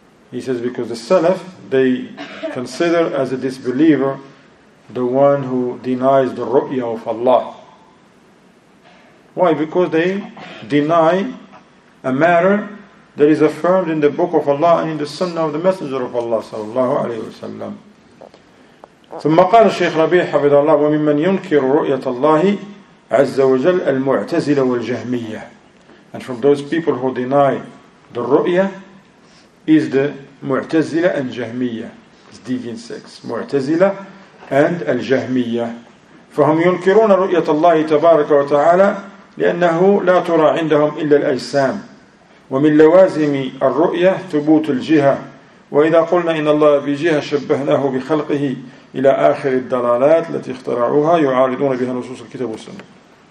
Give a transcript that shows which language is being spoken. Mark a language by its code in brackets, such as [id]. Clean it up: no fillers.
[en] He says because the Salaf, they consider as a disbeliever the one who denies the ru'ya of Allah. Why? Because they deny a matter that is affirmed in the Book of Allah and in the Sunnah of the Messenger of Allah sallallahu alayhi wa sallam. [ar] ثم قال الشيخ ربيع حفظه الله وممن ينكر رؤية الله عز وجل المعتزلة والجهمية. [en] And from those people who deny the ru'ya is the Mu'tazila and Jahmiyyah. It's deviant sects. Mu'tazila and Al-Jahmiyyah. [ar] فهم ينكرون رؤية الله تبارك وتعالى لأنه لا ترى عندهم إلا الأجسام. ومن لوازم الرؤية ثبوت الجهة. وإذا قلنا إن الله بجهة شبهناه بخلقه إلى آخر الدلالات التي اخترعوها يعارضون بها نصوص الكتاب والسنة.